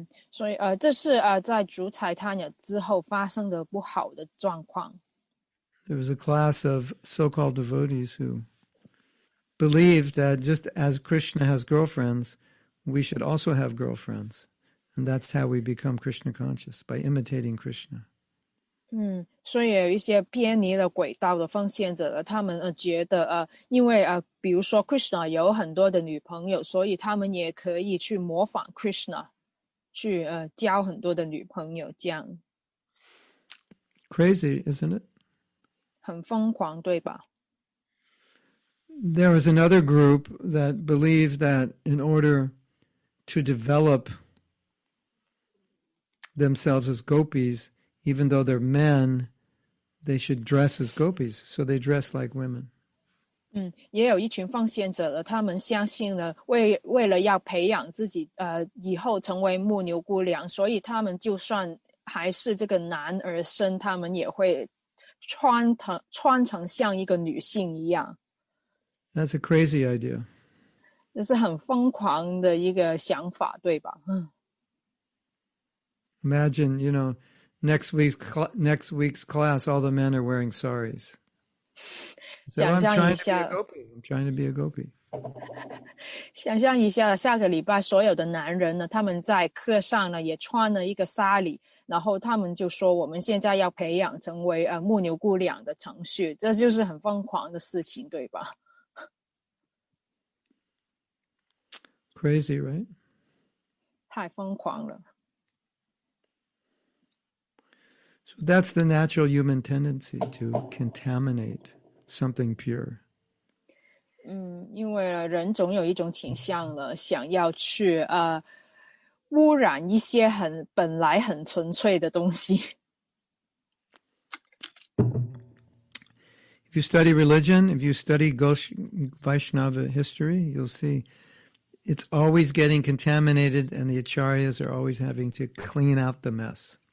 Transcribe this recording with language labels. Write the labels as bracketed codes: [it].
[zh] 所以这是在主宰他呢之后发生的不好的状况。 [en] There was a class of so-called devotees who believed that just as Krishna has girlfriends, we should also have girlfriends. And that's how we become Krishna conscious, by imitating Krishna. [zh] 所以有一些偏离了轨道的奉献者，他们觉得因为比如说 Krishna 有很多的女朋友，所以他们也可以去模仿 Krishna， 去交很多的女朋友，这样。 [en] Crazy, isn't it? [zh] 很疯狂，对吧？ [en] There is another group that believed that in order to develop themselves as gopis. Even though they're men, they should dress as gopis, so they dress like women. [zh] 也有一群奉献者的，他们相信了为了要培养自己以后成为牧牛姑娘，所以他们就算还是这个男儿身，他们也会穿成像一个女性一样。 [en] That's a crazy idea. [zh] 这是很疯狂的一个想法，对吧？ [en] Imagine, you know. Next week's class, all the men are wearing saris. So I'm trying to be a gopi. I'm trying to be a gopi. [zh] 想象一下，下个礼拜所有的男人呢，他们在课上呢也穿了一个纱里，然后他们就说我们现在要培养成为牧牛姑娘的程序，这就是很疯狂的事情，对吧？ [en] Crazy, right? [zh] 太疯狂了。 [en] So that's the natural human tendency to contaminate something pure. [zh] 因为人总有一种倾向了，想要去污染一些很本来很纯粹的东西。 [en] If you study religion, if you study Vaishnava history, you'll see it's always getting contaminated and the acharyas are always having to clean out the mess.